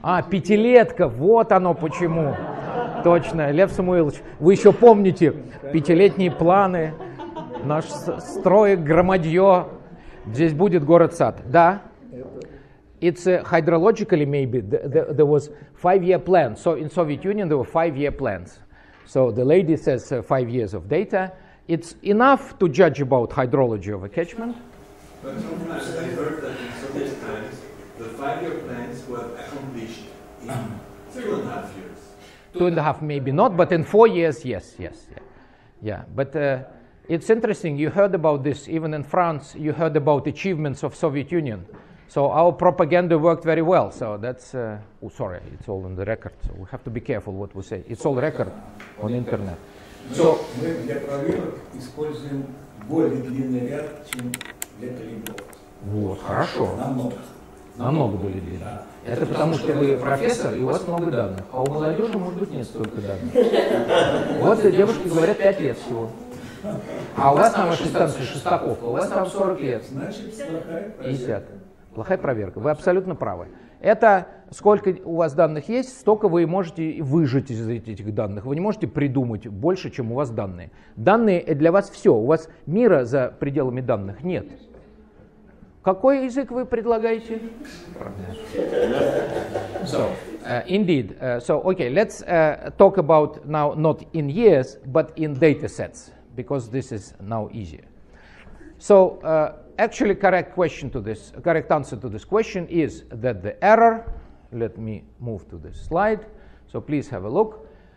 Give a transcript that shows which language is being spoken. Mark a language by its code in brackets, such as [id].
[ru] Пятилетка, вот оно почему. Точно, Лев Самуилович, вы еще помните пятилетние планы, наш строй, громадье. Здесь будет город-сад, да? [en] It's hydrologically maybe, there was five-year plan. So in Soviet Union there were five-year plans. So the lady says 5 years of data. It's enough to judge about hydrology of a catchment. But sometimes I heard that in Soviet times, the five-year plans were accomplished in 2.5 years. 2.5 maybe not, but in 4 years, yes. Yeah, but it's interesting, you heard about this, even in France, you heard about achievements of Soviet Union. So our propaganda worked very well, so that's... sorry, it's all in the record, so we have to be careful what we say. It's all record on internet. [ru] So мы для проверок используем более длинный ряд, чем для калибров. Вот, хорошо. Намного более длинный. Это потому, что вы профессор, и у вас много данных. А у молодежи, может быть, нет столько данных. Вот девушки говорят 5 лет всего. А у вас на вашей станции Шестаковка, у вас там 40 лет. Значит, 50. Плохая проверка. Вы абсолютно правы. Это сколько у вас данных есть, столько вы можете выжать из этих данных. Вы не можете придумать больше, чем у вас данные. Данные для вас все. У вас мира за пределами данных нет. Какой язык вы предлагаете? [en] So, indeed. So, okay, let's talk about now not in years, but in data sets, because this is now easier. So, actually, correct answer to this question is that the error, let me move to this slide, so please have a look.